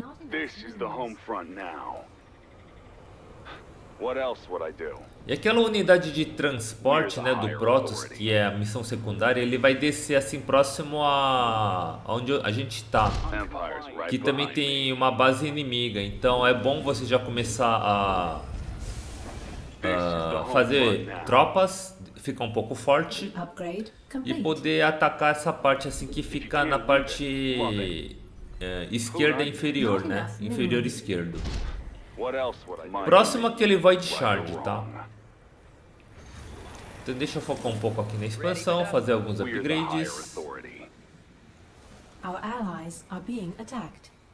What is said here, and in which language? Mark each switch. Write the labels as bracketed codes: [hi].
[en] This is the home front now. What else would I do? [pt] E aquela unidade de transporte, né, do Protoss, que é a missão secundária, ele vai descer assim próximo a onde a gente tá, que também tem uma base inimiga. Então é bom você já começar a fazer tropas, ficar um pouco forte e poder atacar essa parte assim que fica na parte esquerda inferior, né? Inferior esquerdo. Próximo aquele Void Shard, tá? Então deixa eu focar um pouco aqui na expansão, fazer alguns upgrades. [en] Our allies are being attacked.